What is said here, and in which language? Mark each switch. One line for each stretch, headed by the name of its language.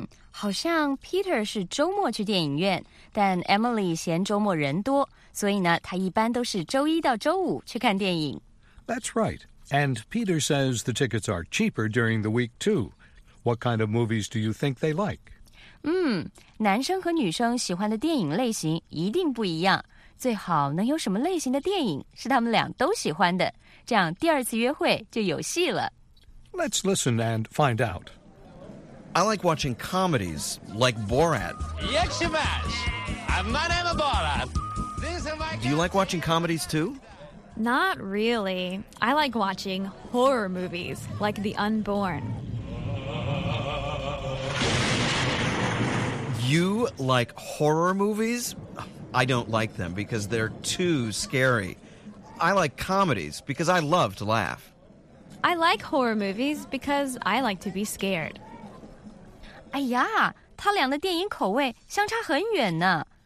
Chinese: 好像 Peter 是周末去电影院，但 Emily 嫌周末人多，所以呢，他一般都是周一到周五去看电影。
English: That's right. And Peter says the tickets are cheaper during the week, too. What kind of movies do you think they like?
Chinese: 男生和女生喜欢的电影类型一定不一样，最好能有什么类型的电影是他们俩都喜欢的，这样第二次约会就有戏了。
English: Let's listen and find out. I like watching comedies, like Borat. Yekshabash! My name is Borat. This is my... Do you like watching comedies, too? Not really. I like watching horror movies, like The Unborn. You like horror movies? I don't like them because they're too scary. I like comedies because I love to laugh. I like horror movies because I like to be scared.
Chinese: 哎呀，他俩的电影口味相差很远呢。